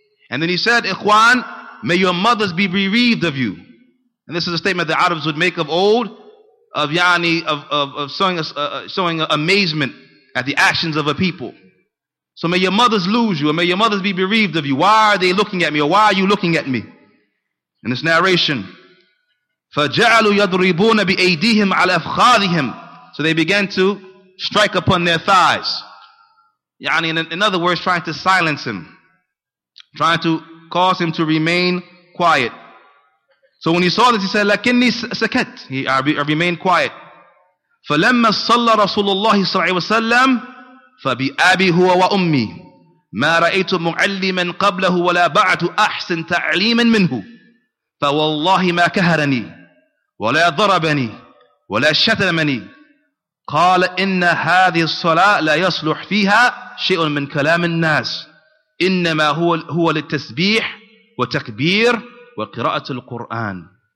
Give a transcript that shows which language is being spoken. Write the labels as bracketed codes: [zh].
[en] And then he said, Ikhwan, may your mothers be bereaved of you. And this is a statement the Arabs would make of old, of yani, of showing amazement at the actions of a people. So may your mothers lose you, and may your mothers be bereaved of you. Why are they looking at me, or why are you looking at me? In this narration, [ar] فَجَعَلُوا يَضْرِبُونَ بِأَيْدِهِمْ عَلَى أَفْخَاذِهِمْ. [en] So they began to strike upon their thighs. Yani, in other words, trying to silence him, trying to cause him to remain quiet. So when he saw this, he said, [ar] لَكِنِّي سَكَتْ. [en] I remained quiet. [ar] فَلَمَّا صَلَّى رَسُولُ اللَّهِ صَلَّى اللَّهِ وَسَلَّمْ فَبِأَبِي هُوَ وَأُمِّي مَا رَأَيْتُ مُعَلِّمًا قَبْلَهُ وَلَا بَعْتُ أَحْسِنْ تَعْلِيمًا مِنْهُ فَوَاللَّهِ مَا كَهَرَنِي وَلَا ضَرَبَنِي وَلَا شَتَمَنِي قَالَ إِنَّ هَذِهِ الصَّلَاةَ لَا يَصْلُحْ فِيهَا شَيْءٌ مِنْ كَلَامِ النَّاسِ إِنَّمَا هُوَ لِلتَّسْبِيحِ وَتَكْبِيرٍ وَقِرَاءَةِ الْقُرْآنِ.